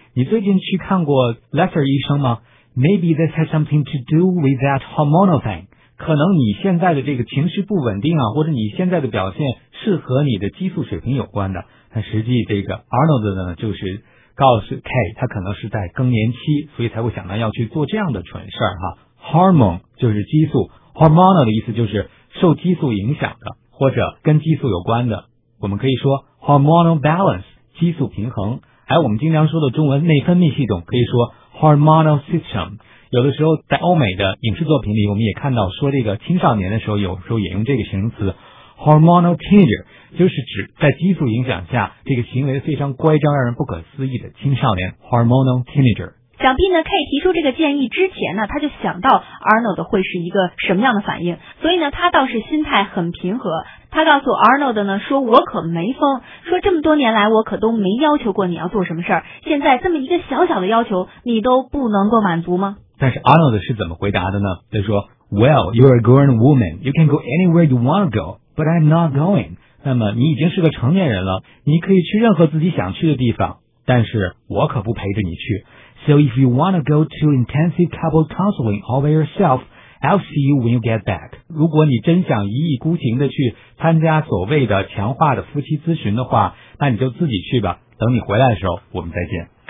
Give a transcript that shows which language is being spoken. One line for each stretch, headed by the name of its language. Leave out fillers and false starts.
Chinese: 你最近去看过 Lesser 医生吗 ？
English: Maybe this has something to do with that hormonal thing。”
Chinese: 可能你现在的这个情绪不稳定啊，或者你现在的表现是和你的激素水平有关的。但实际这个 Arnold 呢，就是告诉 K 他可能是在更年期，所以才会想到要去做这样的蠢事儿哈。 Hormone 就是激素， hormonal 的意思就是受激素影响的或者跟激素有关的，我们可以说 hormonal balance， 激素平衡。还有我们经常说的中文内分泌系统，可以说 hormonal system。有的时候在欧美的影视作品里，我们也看到说这个青少年的时候，有时候也用这个形容词 hormonal teenager， 就是指在激素影响下这个行为非常乖张让人不可思议的青少年 hormonal teenager。想必呢 K 提出这个建议之前呢，他就想到 Arnold 会是一个什么样的反应，所以呢他倒是心态很平和。他告诉 Arnold 呢，说我可没疯，说这么多年来我可都没要求过你要做什么事儿，现在这么一个小小的要求你都不能够满足吗？但是 Arnold 是怎么回答的呢？他说
English: Well, you're a grown woman. You can go anywhere you want to go, but I'm not going.
Chinese: 那么你已经是个成年人了，你可以去任何自己想去的地方，但是我可不陪着你去。
English: So if you want to go to intensive couple counseling all by yourself, I'll see you when you get back.
Chinese: 如果你真想一意孤行的去参加所谓的强化的夫妻咨询的话，那你就自己去吧，等你回来的时候我们再见。